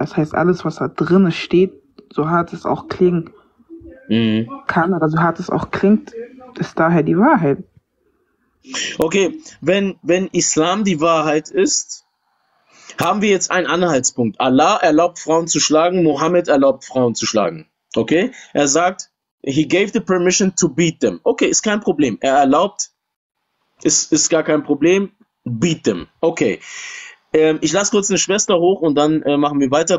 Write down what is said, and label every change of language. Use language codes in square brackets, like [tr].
[de] Das heißt, alles, was da drin steht, so hart es auch klingt, kann, oder so hart es auch klingt, ist daher die Wahrheit. Okay, wenn Islam die Wahrheit ist, haben wir jetzt einen Anhaltspunkt. Allah erlaubt Frauen zu schlagen, Mohammed erlaubt Frauen zu schlagen. Okay, er sagt, [en] he gave the permission to beat them. [de] Okay, ist kein Problem. Er erlaubt, ist gar kein Problem, [en] beat them. [de] Okay, ich lasse kurz eine Schwester hoch und dann machen wir weiter.